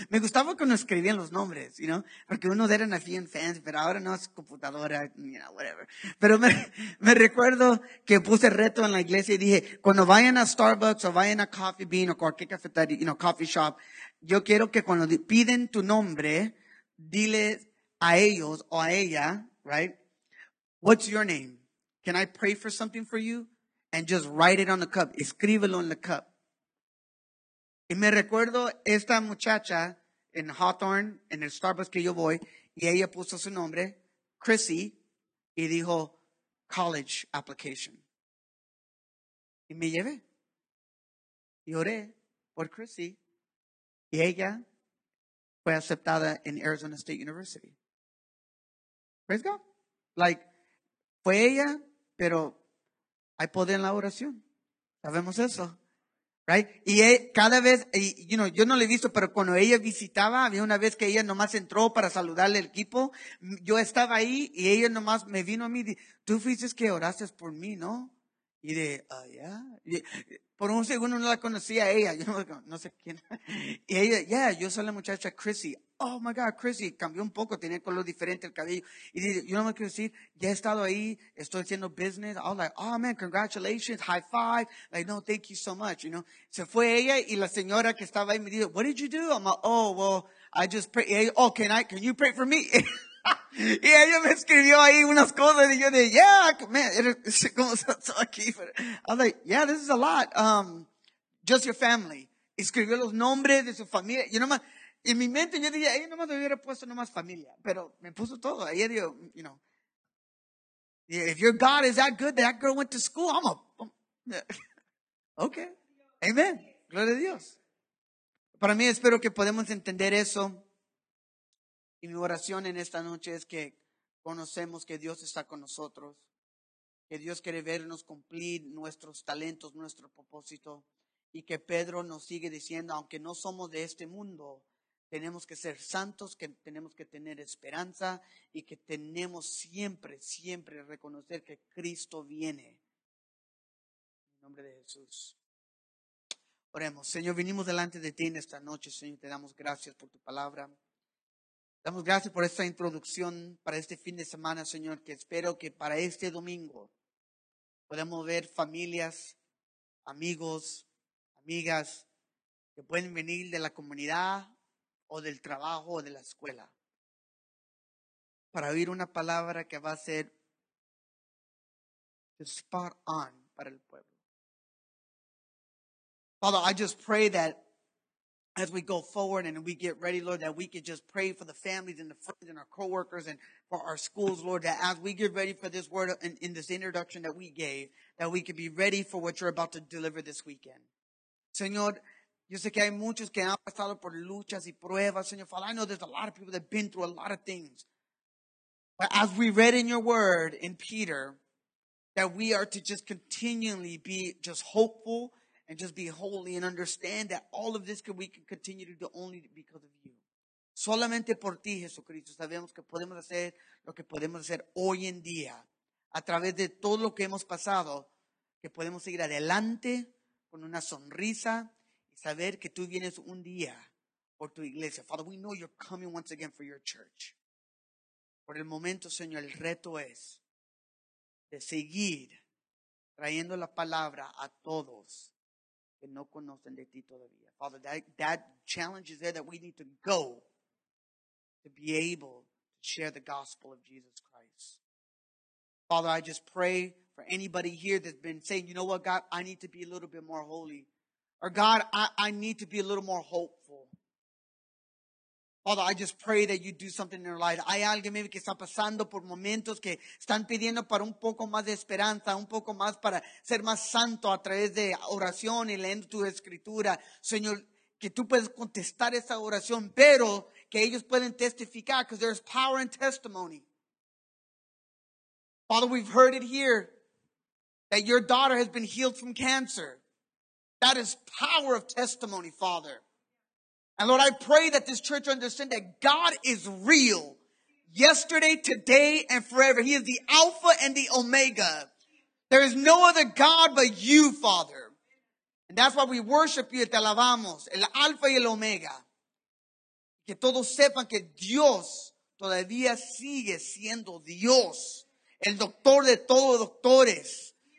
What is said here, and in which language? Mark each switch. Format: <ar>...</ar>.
<es>Me gustaba cuando escribían los nombres,</es> <en>you know?</en> <es>Porque unos eran así en fans, pero ahora no es computadora,</es> <en>you know, whatever.</en> <es>Pero me recuerdo que puse reto en la iglesia y dije, cuando vayan a Starbucks o vayan a Coffee Bean o cualquier cafetería,</es> <en>you know, coffee shop,</en> <es>yo quiero que cuando piden tu nombre, dile a ellos o a ella,</es> <en>right? What's your name? Can I pray for something for you? And just write it on the cup.</en> <es>Escríbelo en la cup. Y me recuerdo esta muchacha en Hawthorne, en el Starbucks que yo voy, y ella puso su nombre, Chrissy, y dijo, college application. Y me llevé. Y oré por Chrissy. Y ella fue aceptada en Arizona State University.</es> <en>Praise God. Like,</en> <es>fue ella, pero hay poder en la oración. Sabemos eso.</es> <en>Right?</en> <es>Y cada vez,</es> <en>you know,</en> <es>yo no la he visto, pero cuando ella visitaba, había una vez que ella nomás entró para saludarle al equipo. Yo estaba ahí y ella nomás me vino a mí y dice, tú fuiste que oraste por mí, ¿no? Y de,</es> <en>oh, yeah.</en> <es>Y por un segundo no la conocía a ella. Yo no sé quién. Y ella,</es> <en>yeah,</en> <es>yo soy la muchacha Chrissy.</es> <en>Oh my God,</en> <es>Chrissy, cambió un poco, tenía color diferente el cabello. Y dice, yo no me quiero decir, ya he estado ahí, estoy haciendo business.</es> <en>I was like, oh man, congratulations, high five. Like, no, thank you so much, you know.</en> <es>Se fue ella y la señora que estaba ahí me dijo,</es> <en>what did you do? I'm like, oh, well, I just prayed. Oh, can you pray for me?</en> <es>Y ella me escribió ahí unas cosas y yo dije,</es> <en>yeah, man, it's</en> <es>como so aquí.</es> <en>I was like, yeah, this is a lot. Just your family.</en> <es>Y escribió los nombres de su familia. Yo nomás, y en mi mente yo dije, ella nomás me hubiera puesto nomás familia. Pero me puso todo.</es> <en>Ella dijo, you know, if your God is that good, that girl went to school, I'm a, okay.</en> <es>Amen. Gloria a Dios. Para mí, espero que podamos entender eso. Y mi oración en esta noche es que conocemos que Dios está con nosotros, que Dios quiere vernos cumplir nuestros talentos, nuestro propósito, y que Pedro nos sigue diciendo, aunque no somos de este mundo, tenemos que ser santos, que tenemos que tener esperanza y que tenemos siempre, siempre reconocer que Cristo viene. En el nombre de Jesús. Oremos. Señor, venimos delante de ti en esta noche, Señor, te damos gracias por tu palabra. Damos gracias por esta introducción para este fin de semana, Señor, que espero que para este domingo podamos ver familias, amigos, amigas que pueden venir de la comunidad o del trabajo o de la escuela para oír una palabra que va a ser</es> <en>spot on</en> <es>para el pueblo.</es> <en>Father, I just pray that as we go forward and we get ready, Lord, that we could just pray for the families and the friends and our coworkers and for our schools, Lord, that as we get ready for this word in this introduction that we gave, that we could be ready for what you're about to deliver this weekend.</en> <es>Señor, yo sé que hay muchos que han pasado por luchas y pruebas, Señor.</es> <en>Father, I know there's a lot of people that have been through a lot of things. But as we read in your word in Peter, that we are to just continually be just hopeful and just be holy and understand that all of this we can continue to do only because of you.</en> <es>Solamente por ti, Jesucristo, sabemos que podemos hacer lo que podemos hacer hoy en día. A través de todo lo que hemos pasado, que podemos seguir adelante con una sonrisa y saber que tú vienes un día por tu iglesia.</es> <en>Father, we know you're coming once again for your church.</en> <es>Por el momento, Señor, el reto es de seguir trayendo la palabra a todos que no conocen de ti todavía.</es> <en>Father, that challenge is there that we need to go to be able to share the gospel of Jesus Christ. Father, I just pray for anybody here that's been saying, you know what, God, I need to be a little bit more holy. Or God, I need to be a little more hopeful. Father, I just pray that you do something in their life.</en> <es>Hay alguien maybe que está pasando por momentos que están pidiendo para un poco más de esperanza, un poco más para ser más santo a través de oración y leyendo tu escritura. Señor, que tú puedes contestar esa oración, pero que ellos pueden testificar,</es> <en>because there's power in testimony. Father, we've heard it here that your daughter has been healed from cancer. That is power of testimony, Father. And Lord, I pray that this church understand that God is real. Yesterday, today, and forever. He is the Alpha and the Omega. There is no other God but you, Father. And that's why we worship you,</en> <es>te alabamos, el Alpha y el Omega. Que todos sepan que Dios todavía sigue siendo Dios. El doctor de todos los doctores.</es>